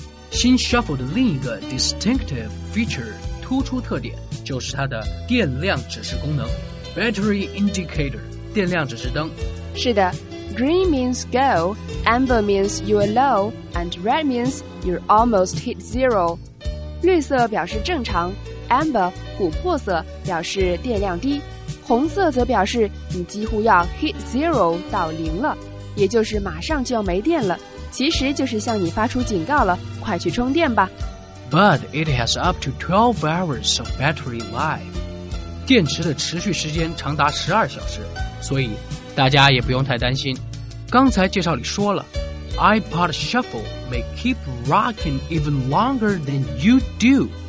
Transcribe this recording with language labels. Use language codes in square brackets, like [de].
[zh] 新 Shuffle 的另一个 distinctive feature 突出特点就是它的电量指示功能 battery indicator 电量指示灯。 [en] 是的， green means go, amber means you are low, and red means you're almost hit zero. [zh] 绿色表示正常， amber, 琥珀色表示电量低，红色则表示你几乎要 hit zero 到零了，也就是马上就要没电了，其实就是向你发出警告了，快去充电吧。 [en] But it has up to 12 hours of battery life. [zh] 电池的持续时间长达12小时，所以大家也不用太担心，刚才介绍里说了 [en] iPod Shuffle may keep rocking even longer than you do.